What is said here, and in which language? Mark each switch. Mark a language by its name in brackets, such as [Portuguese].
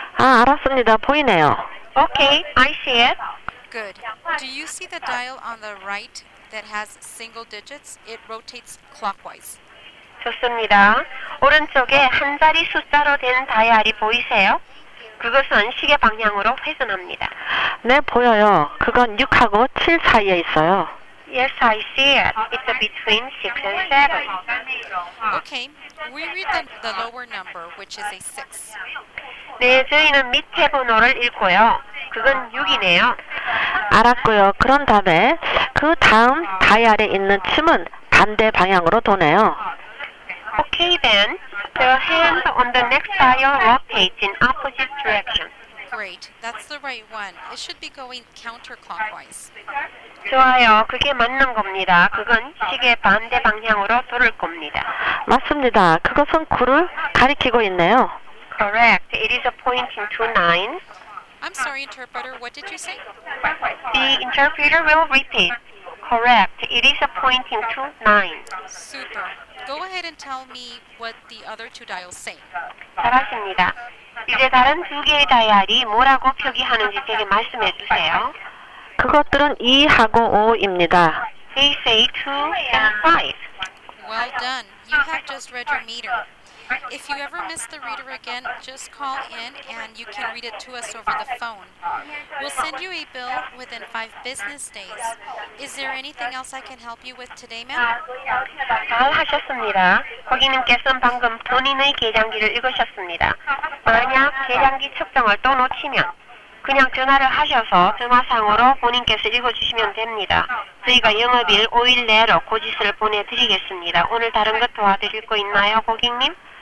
[Korean] 아, 알았습니다. 보이네요. [English] Okay, I see it. Good. Do you see the dial on the right that has single digits? It rotates clockwise. [Korean] 좋습니다. 오른쪽에 한 자리 숫자로 된 다이얼이 보이세요? 그것은 시계 방향으로 회전합니다. 네, 보여요. 그건 6하고 7 사이에 있어요. [English] Yes, I see it. It's between 6 and 7. Okay, we read the lower number, which is a 6. [Korean] 네, 저희는 밑에 번호를 읽고요. 그건 6이네요. 알았고요. 그런 다음에 그 다음 다이얼에 있는 침은 반대 방향으로 도네요. [English] Okay, then. The hand on the next dial rotates in opposite direction. Great. That's the right one. It should be going counterclockwise. [Korean] 좋아요. 그게 맞는 겁니다. 그건 시계 반대 방향으로 돌을 겁니다. 맞습니다. 그것은 9를 가리키고 있네요. [English] Correct. It is pointing to 9. I'm sorry, interpreter. What did you say? The interpreter will repeat. Correct. It is pointing to 9. Super. Go ahead and tell me what the other two dials say. [Korean] 잘하십니다. 이제 다른 두 개의 다이얼이 뭐라고 표기하는지 제게 말씀해 주세요. 그것들은 2하고 5입니다. [English] They say 2 and 5. Well done. You have just read your meter. If you ever miss the reader again, just call in and you can read it to us over the phone. We'll send you a bill within 5 business days. Is there anything else I can help you with today, ma'am? [Korean] 잘 하셨습니다. 고객님께서는 방금 본인의 계량기를 읽으셨습니다. 만약 계량기 측정을 또 놓치면 그냥 전화를 하셔서 전화상으로 본인께서 읽어주시면 됩니다. 저희가 영업일 5일 내로 고지서를 보내드리겠습니다. 오늘 다른 것 도와드릴 거 있나요, 고객님?